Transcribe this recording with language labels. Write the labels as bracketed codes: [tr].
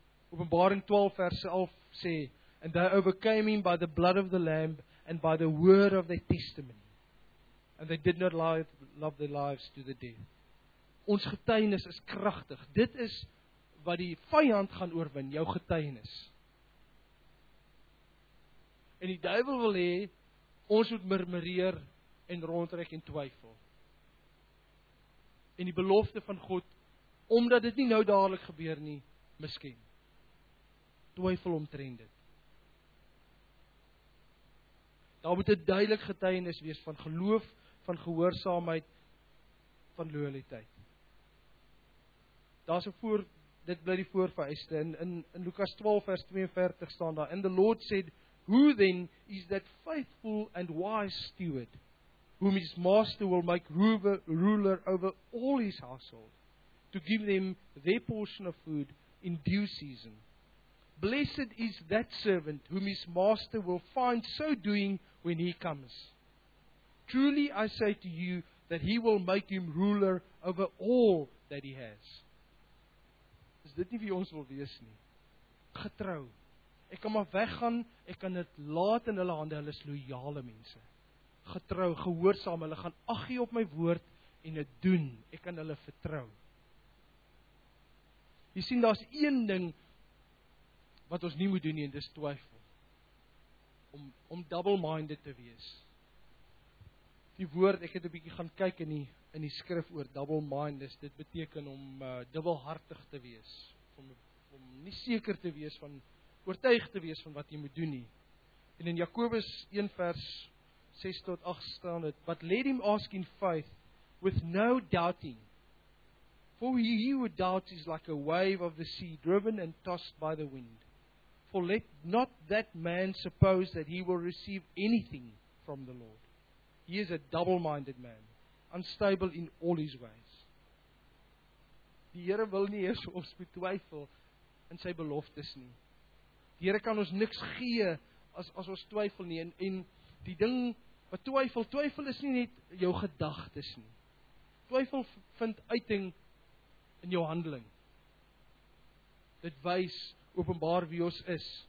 [af] Openbaring 12 vers 11 sê, [en] and they overcame him by the blood of the lamb and by the word of their testimony. And they did not love their lives to the death. [af] Ons getuienis is kragtig. Dit is wat die vyand gaan oorwin, jou getuienis. En die duivel wil hê ons moet murmureer en rondtrek en twyfel. En die belofte van God, omdat dit nie nou dadelik gebeur nie, misken. Twyfel omtrent dit. Daar moet 'n duidelik getuienis wees van geloof, van gehoorsaamheid, van loyaliteit. Daar's 'n voor dit bly die voorvereiste in Lukas 12 vers 42 staan daar. [en] And the Lord said, who then is that faithful and wise steward whom his master will make ruler over all his household to give them their portion of food in due season. Blessed is that servant whom his master will find so doing when he comes. Truly I say to you that he will make him ruler over all that he has. [af] Is dit nie wie ons wil wees nie? Getrou. Ek kan maar weggaan, ek kan dit laat in hulle hande, hulle is loyale mense. Getrou, gehoorsaam, hulle gaan aggie op my woord en dit doen. Ek kan hulle vertrou. Jy sien, daar's een ding wat ons nie moet doen nie, en dis twyfel. Om double-minded te wees. Die woord, ek het 'n bietjie gaan kyk in die skrif oor double-minded, dit beteken om dubbelhartig te wees, om nie seker te wees van, oortuig te wees van wat jy moet doen nie. En in Jakobus 1 vers 6 tot 8 staan dit, [en] but let him ask in faith, with no doubting, for he who doubts is like a wave of the sea, driven and tossed by the wind. For let not that man suppose that he will receive anything from the Lord. He is a double-minded man, unstable in all his ways. [af] Die Here wil nie eers ons betwyfel in sy beloftes nie. Die Here kan ons niks gee as ons twyfel nie. En die ding wat twyfel is nie net jou gedagtes nie. Twyfel vind uiting in jou handeling. Dit wys openbaar wie ons is.